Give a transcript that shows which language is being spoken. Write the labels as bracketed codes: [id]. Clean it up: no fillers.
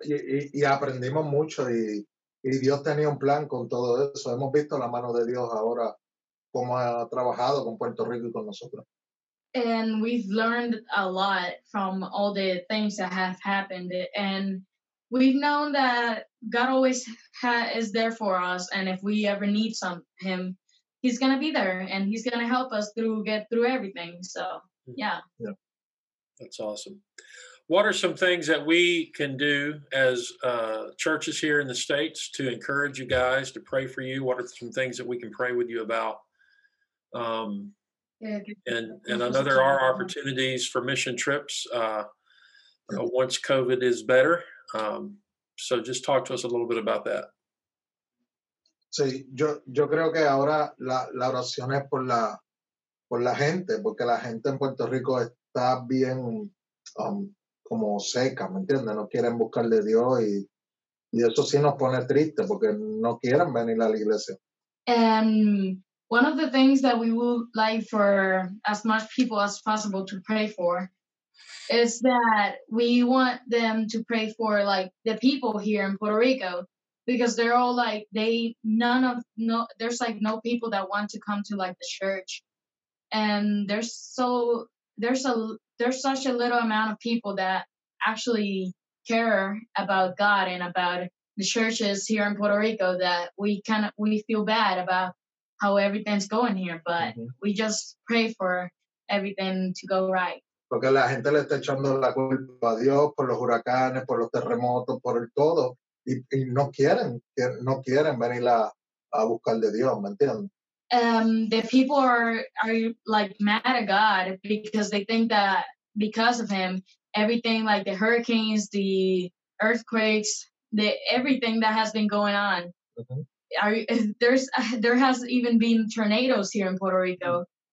[es] Y aprendimos mucho y Dios tenía un plan con todo eso. Hemos visto la mano de Dios ahora cómo ha trabajado con Puerto Rico y con nosotros. [en] And we've learned a lot from all the things that have happened. And we've known that God always is there for us. And if we ever need him, he's going to be there. And he's going to help us get through everything. So, yeah. That's awesome. What are some things that we can do as churches here in the States to encourage you guys, to pray for you? What are some things that we can pray with you about? And I know there are opportunities for mission trips once COVID is better. So just talk to us a little bit about that. [es] Sí, yo creo que ahora la oración es por la gente, porque la gente en Puerto Rico está bien como seca, ¿me entiendes? No quieren buscar de Dios y eso sí nos pone triste porque no quieren venir a la iglesia. [en] One of the things that we would like for as much people as possible to pray for is that we want them to pray for like the people here in Puerto Rico, because they're all like there's like no people that want to come to like the church, and there's such a little amount of people that actually care about God and about the churches here in Puerto Rico that we feel bad about how everything's going here, but we just pray for everything to go right. [es] Porque la gente le está echando la culpa a Dios por los huracanes, por los terremotos, por el todo, y no quieren venir a buscar de Dios, ¿me entiendes? [en] The people are like mad at God because they think that because of him, everything like the hurricanes, the earthquakes, the everything that has been going on. There has even been tornadoes here in Puerto Rico.